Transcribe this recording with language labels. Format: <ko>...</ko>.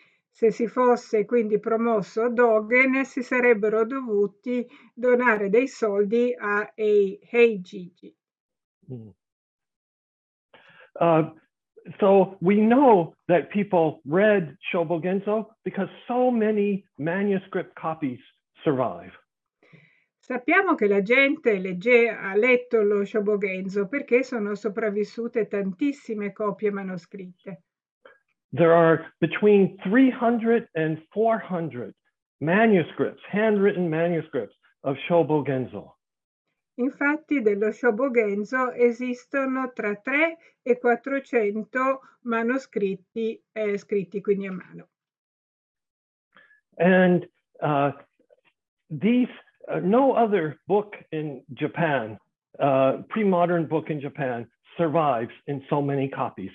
<it>Se si fosse quindi promosso Dogen, si sarebbero dovuti donare dei soldi a Eiheijiji.</it> <en>So we know that people read Shobogenzo because so many manuscript copies survive.</en> <it>Sappiamo che la gente ha letto lo Shobogenzo perché sono sopravvissute tantissime copie manoscritte.</it> <en>There are between 300 and 400 manuscripts, handwritten manuscripts of Shobogenzo.</en> <it>Infatti, dello Shobogenzo esistono tra 3 e 400 manoscritti scritti quindi a mano.</it> <en>And no other book in Japan, pre-modern book in Japan, survives in so many copies.</en>